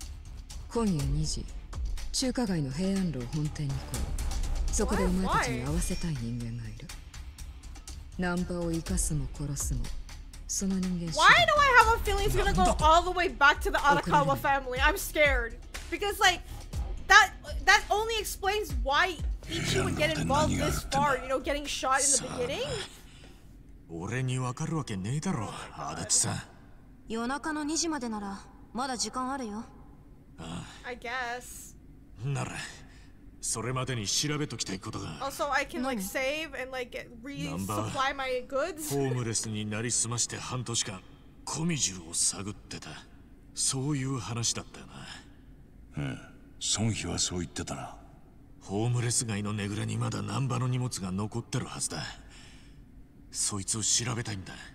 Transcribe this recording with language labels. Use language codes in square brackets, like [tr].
[ja] なんて野郎だ。そう向きにならねえでよ。何も見逃してやっちゃうもんねえか。あいつは余計なことをあちこちに言ったりしねえさ。それはもう私の一存では決め兼ねるな。はあ？あんたコミジュルのトップだろ。あんたが決めてくれさえすりゃ。春日。はあ？今夜2時。中華街の平安楼本店に来い。そこでお前たちに会わせたい人間がいる。 Nanba を生かすも殺すも、その人間。 [en] Why do I have a feeling he's gonna go all the way back to the Arakawa family? I'm scared. Because like that only explains why Ichi would get involved this far. You know, getting shot in the beginning. [ja] 俺にわかるわけねえだろ、足立さん。夜中の2時までなら、まだ時間あるよ。 [en] I guess. [ja] なら、それまでに調べときたいことが。 [en] Also, I can like save and like resupply my goods. [ja] ホームレスになりすまして半年間、コミジュルを探ってた。そういう話だったよな。うん、孫悲はそう言ってたな。ホームレス街のねぐらにまだナンバの荷物が残ってるはずだ。そいつを調べたいんだ。